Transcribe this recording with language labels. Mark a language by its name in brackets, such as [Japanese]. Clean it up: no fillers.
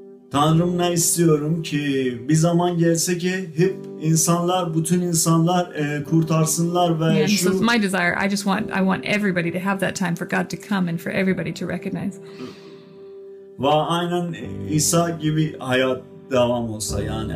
[Turkish] Tanrım ne istiyorum ki bir zaman gelse ki hep insanlar bütün insanlar kurtarsınlar ve [English] yeah, [Turkish] şu [English] so my desire I want everybody to have that time for God to come and for everybody to recognize. [Turkish] Ve aynen İsa gibi hayat devam olsa yani.